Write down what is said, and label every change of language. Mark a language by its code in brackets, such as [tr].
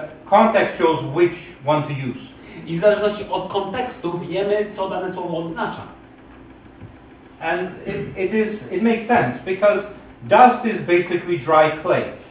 [en] Context shows which one to use. [pl] I w zależności od kontekstu wiemy, co dane słowo oznacza. [en] And it makes sense because dust is basically dry clay.